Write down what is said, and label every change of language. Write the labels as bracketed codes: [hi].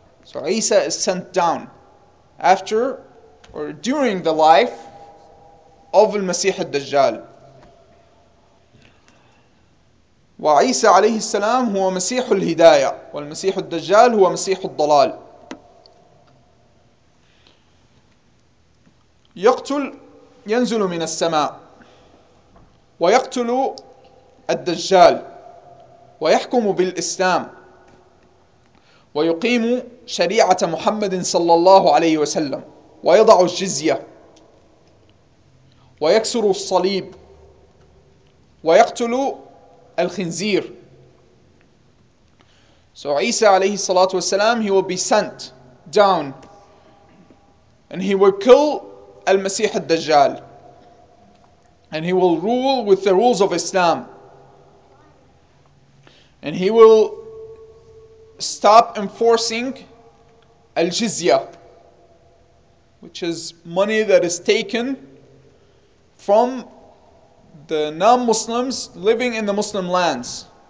[en] So Isa is sent down after or during the life of المسيح الدجال. [ar] وعيسى عليه السلام هو مسيح الهداية, والمسيح الدجال هو مسيح الضلال. يقتل, ينزل من السماء ويقتل الدجال ويحكم بالإسلام ويقيم شريعة محمد صلى الله عليه وسلم ويضع الجزية ويكسر الصليب ويقتل الخنزير. [en] So عيسى [ar] عليه الصلاة والسلام, [en] he will be sent down and he will kill المسيح الدجال. And he will rule with the rules of Islam. And he will stop enforcing al-jizya, which is money that is taken from the non-Muslims living in the Muslim lands.